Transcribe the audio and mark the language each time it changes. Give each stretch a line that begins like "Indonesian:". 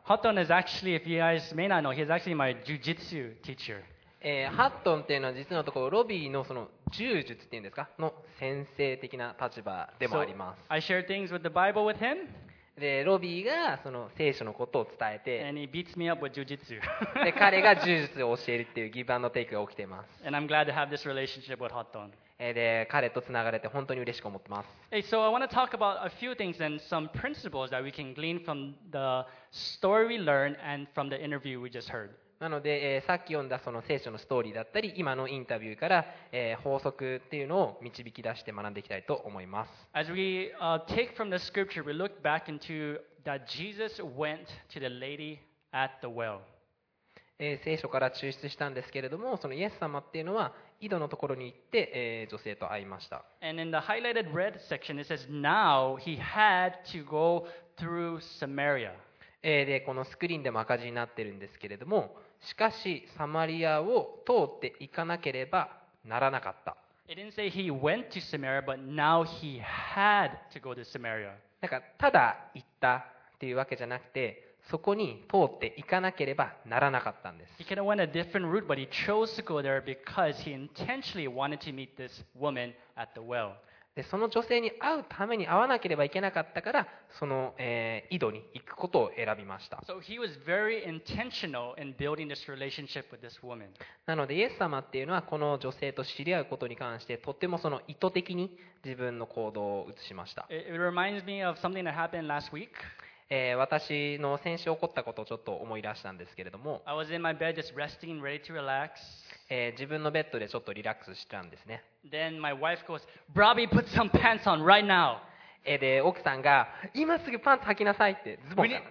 English: Hotton is actually, if you guys may not know, he's actually my jiu-jitsu teacher.
Japanese: ハットンっていうのは実のところロビーのその柔術っていうんですかの先生的な立場でもあります。
English: So, I share things with the Bible with him.
Japanese: でロビーがその聖書のことを伝えて、
English: and he beats me up with jiu-jitsu.
Japanese: で彼が柔術を教えるっていうギブアンドテイクが起きています。
English: And I'm glad to have this relationship with Hotton.
Japanese: で彼とつながれて本当に嬉しく思ってます。
English: Hey, so I want to talk about a few things and some principles that we can glean from the story we learned and from the interview we just heard.
Japanese: なので、さっき読んだその聖書のストーリーだったり、今のインタビューから、法則っていうのを導き出して学んでいきたいと思います。
English: As we take from the scripture, we look back into that Jesus went to the lady at the well.
Japanese: 聖書から抽出したんですけれども、そのイエス様っていうのは井戸のところに行って、女性と会いました。
English: And in the highlighted red section, it says now he had to go through Samaria.
Japanese: で、このスクリーンでも赤字になってるんですけれども、しかしサマリアを通って行かなければならなかった。
English: It didn't say he went to Samaria, but now he had to go to Samaria.
Japanese: なんかただ行ったっていうわけじゃなくて。そこに通って行かなければならなかったんです。
English: He could have went a different route, but he chose to go there because he intentionally wanted to meet this woman at the well.
Japanese: で、その女性に会うために会わなければいけなかったから、その、井戸に行くことを選びました。
English: So he was very intentional in building this relationship with this woman.
Japanese: なので、イエス様っていうのはこの女性と知り合うことに関して、とてもその意図的に自分の行動を移しました。
English: It reminds me of something that happened last week.
Japanese: 私の先週起こったことをちょっと思い出したんですけれども、
English: I was in my bed just resting, ready to relax.
Japanese: 自分のベッドでちょっとリラックスしたんですね。
English: Then my wife goes, Bobby, put some pants on right now.
Japanese: で、奥さんが、今すぐパンツ履きなさいって、ズボンから